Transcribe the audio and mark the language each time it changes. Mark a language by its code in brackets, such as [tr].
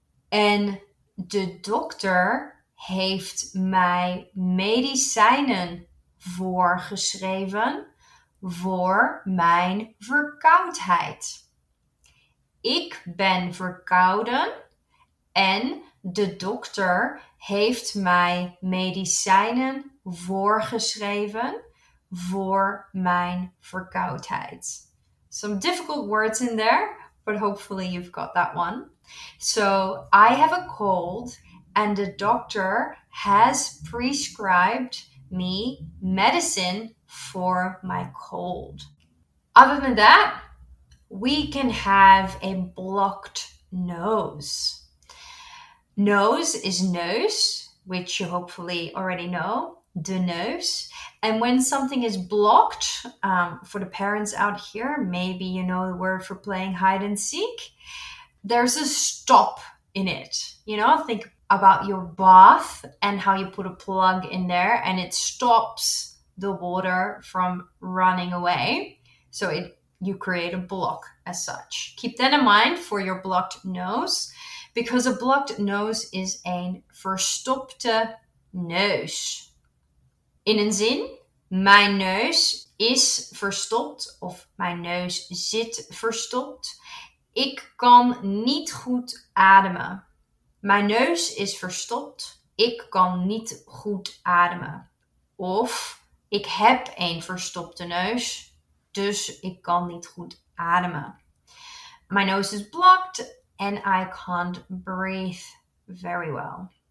[nl] And de dokter heeft mij medicijnen voorgeschreven voor mijn verkoudheid. Ik ben verkouden en de dokter heeft mij medicijnen voorgeschreven voor mijn verkoudheid. [en] Some difficult words in there, but hopefully you've got that one. So, I have a cold. And the doctor has prescribed me medicine for my cold. Other than that, we can have a blocked nose. Nose is nose, which you hopefully already know, the nose. And when something is blocked, for the parents out here, maybe you know the word for playing hide and seek, there's a stop in it. You know, think about your bath and how you put a plug in there and it stops the water from running away. So you create a block as such. Keep that in mind for your blocked nose, because a blocked nose is a verstopte neus. [nl] In een zin, mijn neus is verstopt of mijn neus zit verstopt. Ik kan niet goed ademen. Mijn neus is verstopt. Ik kan niet goed ademen. Of ik heb een verstopte neus, dus ik kan niet goed ademen. [en] My nose is blocked and I can't breathe very well.